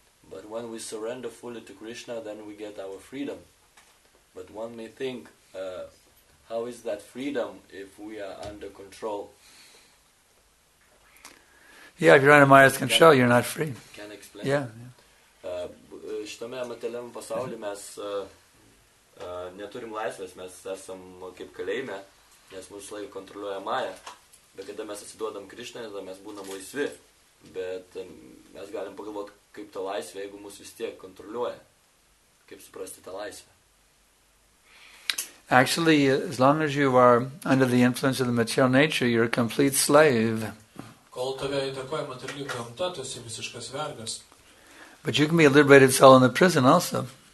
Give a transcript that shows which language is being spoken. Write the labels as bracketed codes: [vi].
[en] But when we surrender fully to Krishna, then we get our freedom. But one may think, how is that freedom if we are under control? Yeah, if you're under Maya's control, you're not free. Can I explain? Yeah. [lt] Šitame materialiam pasaulyje mes neturim laisvės, mes esam kaip kalėjime, nes mūsų laiką kontroliuoja Maja. Bet kada mes atsiduodam Krishnai, tada mes būnam laisvi. Bet mes galim pagalvoti, kaip ta laisvė, jeigu mus vis tiek kontroliuoja. Kaip suprasti tą laisvę? [en] Actually, as long as you are under the influence of the material nature, you're a complete slave. [lt] Kol tave įtakoja materialių gamta, tu esi visiškas vergas. [en] But you can be a liberated soul in the prison also.